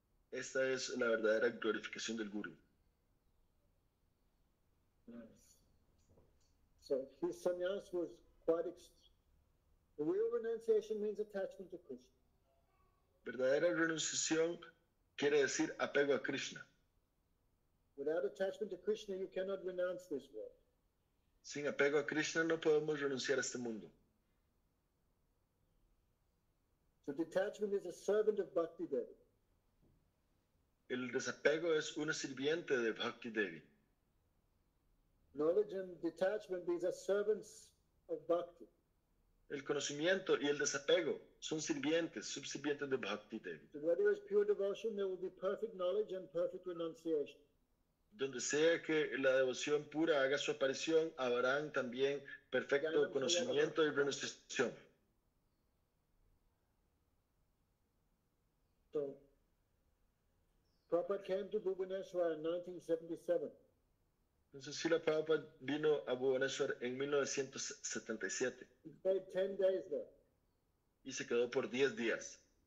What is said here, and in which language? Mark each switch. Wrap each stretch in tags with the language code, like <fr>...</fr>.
<es>Esta es la verdadera glorificación del Guru.</es> <en>So his sannyas was quite extreme. Real renunciation means attachment to Krishna.</en> <es>Verdadera renunciación quiere decir apego a Krishna.</es> <en>Without attachment to Krishna, you cannot renounce this world.</en> <es>Sin apego a Krishna no podemos renunciar a este mundo.</es> <en>So detachment is a servant of Bhakti Devi.</en> <es>El desapego es una sirviente de Bhakti Devi.</es> <en>Knowledge and detachment these are servants of Bhakti.</en> <es>El conocimiento y el desapego son sirvientes, subsirvientes de Bhakti Devi.</es> <en>So where there is pure devotion, there will be perfect knowledge and perfect renunciation.</en> <es>Donde sea que la devoción pura haga su aparición, habrán también perfecto conocimiento y renunciación.</es> <en>So, Prabhupada came to Bhubaneswar in 1977.</en> <es>Entonces, Srila Prabhupada vino a Bhubaneswar en 1977.</es> <en>He stayed 10 days there.</en> <es>Y se quedó por 10 días.</es>